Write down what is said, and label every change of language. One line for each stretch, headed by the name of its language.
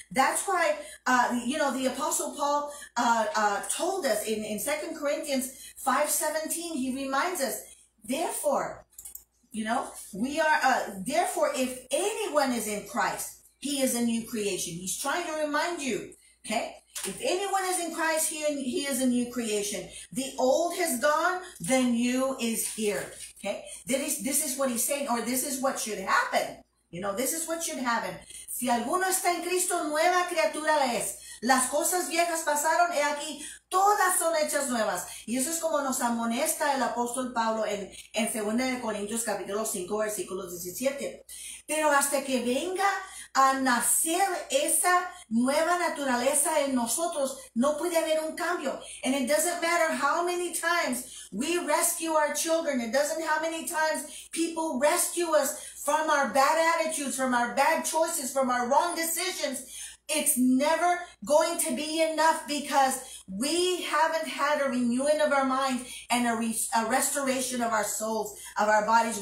English: That's why, you know, the Apostle Paul told us in 2 Corinthians 5:17, he reminds us, therefore, you know, we are, therefore, if anyone is in Christ, he is a new creation. He's trying to remind you, okay? If anyone is in Christ, he is a new creation. The old has gone, the new is here, okay? This is what he's saying, or this is what should happen. You know, this is what should happen.
Spanish: Si alguno está en Cristo, nueva criatura es. Las cosas viejas pasaron, he aquí, todas son hechas nuevas. Y eso es como nos amonesta el apóstol Pablo en 2 Corintios capítulo 5, versículo 17. Pero hasta que venga a nacer esa nueva naturaleza en nosotros, no puede haber un cambio.
English: And it doesn't matter how many times we rescue our children. It doesn't how many times people rescue us from our bad attitudes, from our bad choices, from our wrong decisions. It's never going to be enough because we haven't had a renewing of our minds and a restoration of our souls, of our bodies.